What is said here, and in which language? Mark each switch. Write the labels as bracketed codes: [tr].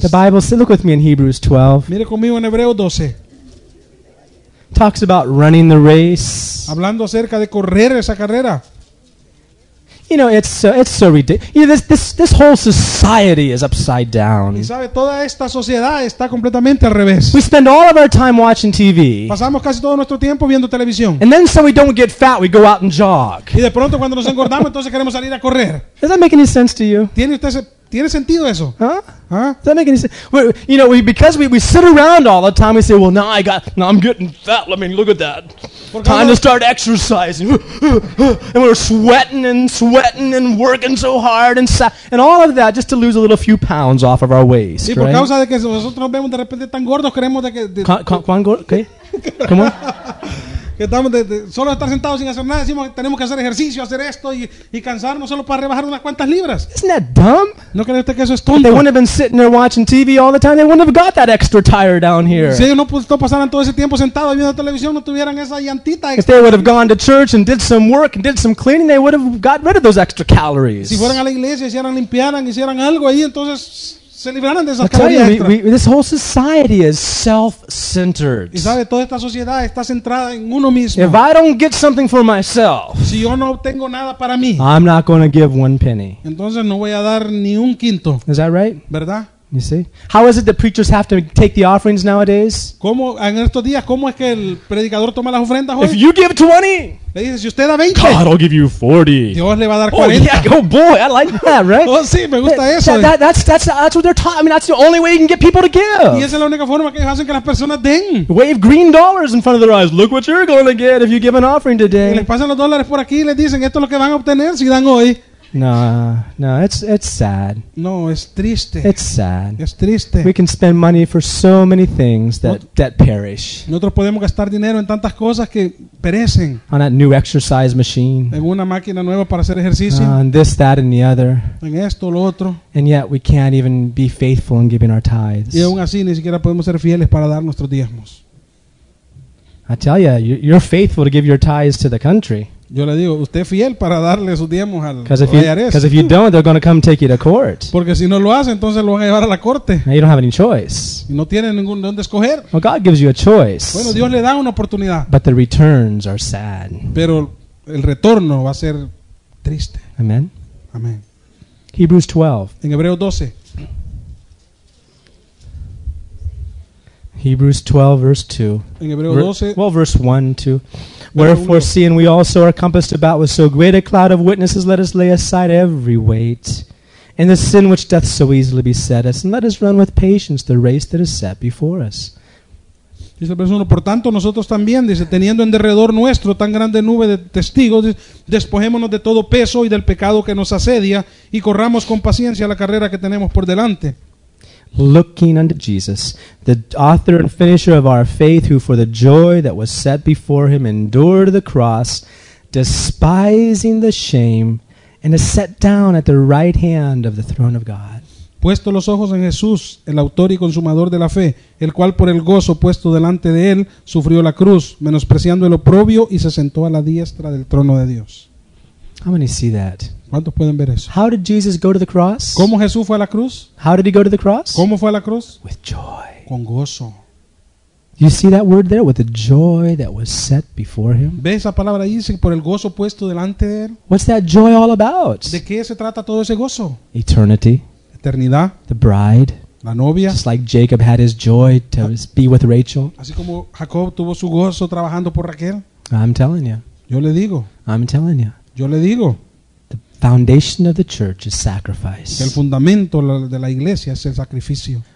[en] The Bible says, look with me in Hebrews 12. [es] Mire conmigo en Hebreo 12. [en] Talks about running the race. [es] Hablando acerca de correr esa carrera. [en] You know, it's so ridiculous. You know, this whole society is upside down. [es] Y sabe, toda esta sociedad está completamente al revés. [en] We spend all of our time watching TV. [es] Pasamos casi todo nuestro tiempo viendo televisión. [en] And then so we don't get fat, we go out and jog. [es] Y de pronto cuando nos engordamos, entonces queremos salir a correr. [en] Does that make any sense to you? [es] ¿Tiene sentido eso? [en] Huh? Does that make any sense? We sit around all the time, we say, well, now I'm getting fat. Let me look at that. Time to start exercising. And we're sweating and working so hard and all of that just to lose a little few pounds off of our waist. [es] Y por causa de que nosotros nos vemos de repente tan gordos, queremos de que ¿Cuán gordo? ¿Qué? ¿Cómo? que estamos de solo estar sentados sin hacer nada, decimos que tenemos que hacer ejercicio, hacer esto y cansarnos solo para rebajar unas cuantas libras. [en] Isn't that dumb? [es] ¿No cree usted que eso es tonto? [en] They wouldn't have been sitting there watching TV all the time. They wouldn't have got that extra tire down here. [es] Si ellos no pasaran todo ese tiempo sentados viendo televisión, no tuvieran esa llantita. [en] If they would have gone to church and did some work and did some cleaning, they would have got rid of those extra calories. [es] Si fueran a la iglesia, hicieran, limpiaran, hicieran algo ahí, entonces se libraran de esas calorías. [en] This whole society is self-centered. [es] Y sabe, toda esta sociedad está centrada en uno mismo. [en] If I don't get something for myself, [es] si yo no obtengo nada para mí, [en] I'm not going to give one penny. [es] Entonces no voy a dar ni un quinto. [en] Is that right? [es] ¿Verdad? [en] You see? How is it that preachers have to take the offerings nowadays? [es] ¿Cómo en estos días cómo es que el predicador toma las ofrendas hoy? [en] If you give 20, [es] le dice, si usted da 20, [en] God, I'll give you 40. [es] Dios le va a dar 40. [en] Oh, yeah, oh boy, I like that, right? [es] Oh, sí, me gusta eso. [en] That's what they're taught. I mean, that's the only way you can get people to give. [es] Y esa es la única forma que hacen que las personas den. [en] Wave green dollars in front of their eyes. Look what you're going to get if you give an offering today. [es] Y les pasan los dólares por aquí y les dicen, esto es lo que van a obtener si dan hoy. [en] No, it's sad. [es] No, es triste. [en] It's sad. [es] Es triste. [en] We can spend money for so many things that perish. [es] Nosotros podemos gastar dinero en tantas cosas que perecen. [en] On that new exercise machine. [es] En una máquina nueva para hacer ejercicio. [en] On this, that, and the other. [es] En esto, lo otro. [en] And yet we can't even be faithful in giving our tithes. [es] Y aún así ni siquiera podemos ser fieles para dar nuestros diezmos. [en] I tell you, you're faithful to give your tithes to the country. [es] Yo le digo, usted fiel para darle sus diezmos al IRS. [en] Because if you don't, they're going to come take you to court. [es] Porque si no lo hace, entonces lo van a llevar a la corte. [en] Now you don't have any choice. [es] Y no tiene ningún dónde escoger. [en] Well, God gives you a choice. [es] Bueno, Dios le da una oportunidad. [en] But the returns are sad. [es] Pero el retorno va a ser triste. [en] Amen. [es] Amen. [en] Hebrews 12. [es] En Hebreos 12. [en] Hebrews 12, verse 2. [es] En Hebreo 12, [en] well, verse 1, 2. Wherefore, seeing we also are compassed about with so great a cloud of witnesses, let us lay aside every weight and the sin which doth so easily beset us, and let us run with patience the race that is set before us. [es] Dice el verso 1, por tanto, nosotros también, dice, teniendo en derredor nuestro tan grande nube de testigos, despojémonos de todo peso y del pecado que nos asedia, y corramos con paciencia la carrera que tenemos por delante. [en] Looking unto Jesus, the author and finisher of our faith, who for the joy that was set before him endured the cross, despising the shame, and is set down at the right hand of the throne of God. [es] Puesto los ojos en Jesús, el autor y consumador de la fe, el cual por el gozo puesto delante de él, sufrió la cruz, menospreciando el oprobio, y se sentó a la diestra del trono de Dios. [en] How many see that? [es] ¿Cuántos pueden ver eso? [en] How did Jesus go to the cross? [es] ¿Cómo Jesús fue a la cruz? [en] How did he go to the cross? [es] ¿Cómo fue a la cruz? [en] With joy. [es] Con gozo. [en] You see that word there? With the joy that was set before him. [es] ¿Ves esa palabra ahí? Dice, por el gozo puesto delante de él. [en] What's that joy all about? [es] ¿De qué se trata todo ese gozo? [en] Eternity. [es] Eternidad. [en] The bride. [es] La novia. [en] Just like Jacob had his joy to be with Rachel. [es] Así como Jacob tuvo su gozo trabajando por Raquel. [en] I'm telling you. [es] Yo le digo. [en] I'm telling you. [es] Yo le digo, [en] the foundation of the church is sacrifice. [es] El fundamento de la iglesia es el sacrificio.